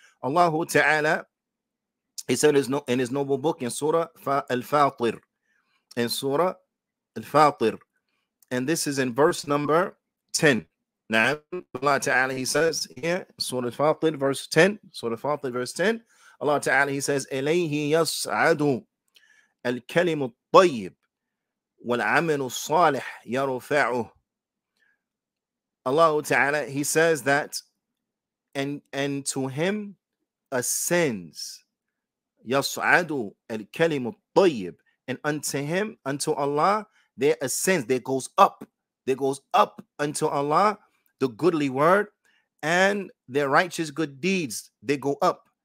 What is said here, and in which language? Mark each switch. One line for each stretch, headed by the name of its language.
English: Allahu ta'ala, He said in His noble book in Surah Al-Fatir. In Surah Al-Fatir. And this is in verse number 10. Now, Allah Ta'ala, He says here, Surah Al-Fatir, verse 10. Surah Al-Fatir, verse 10. Allah Ta'ala, He says,
Arabic: إِلَيْهِ يَصْعَدُ الْكَلِمُ الطَّيِّبُ وَالْعَمِلُ الصَّالِحُ يَرُفَعُهُ.
English: Allah Ta'ala, He says that, and to Him ascends,
Arabic: يَصْعَدُ الْكَلِمُ الطَّيِّبُ,
English: and unto Him, unto Allah, there ascends, there goes up unto Allah the goodly word, and their righteous good deeds, they go up.